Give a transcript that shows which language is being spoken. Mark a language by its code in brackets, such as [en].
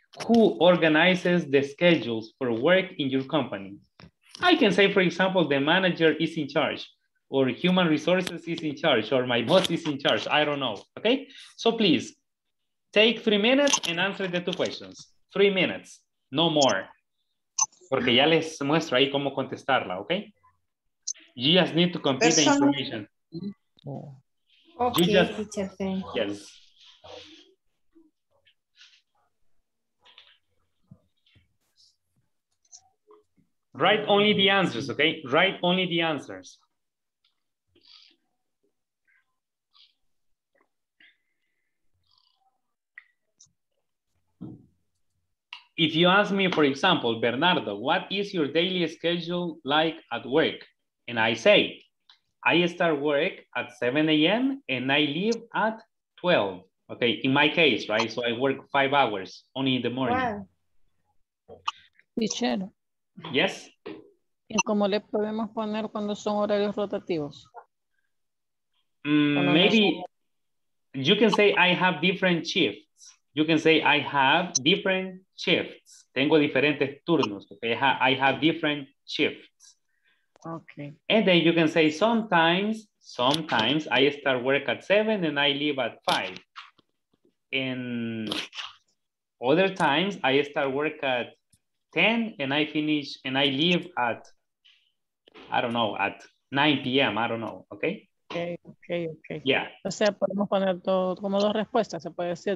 [en] Who organizes the schedules for work in your company? I can say, for example, the manager is in charge, or human resources is in charge, or my boss is in charge, I don't know, okay? So please, take 3 minutes and answer the two questions. 3 minutes, no more. [es] Porque ya les muestro ahí cómo contestarla, okay? [en] You just need to complete the information. Okay, just, teacher, thank you. Yes. Write only the answers, okay? Write only the answers. If you ask me, for example, Bernardo, what is your daily schedule like at work? And I say, I start work at 7 a.m. and I leave at 12. Okay, in my case, right? So I work 5 hours only in the morning. Teacher. Yes? [es] ¿Y cómo le podemos poner cuando son horarios rotativos? [en] Maybe you can say I have different shifts. You can say I have different shifts. [es] Tengo diferentes turnos. [en] Okay? I have different shifts. Okay. And then you can say sometimes I start work at 7 and I leave at 5. And other times I start work at 10 and I finish and I leave at, I don't know, at 9 p.m. I don't know. Okay. Okay. Yeah. [es] O sea, podemos poner como dos respuestas, se puede decir.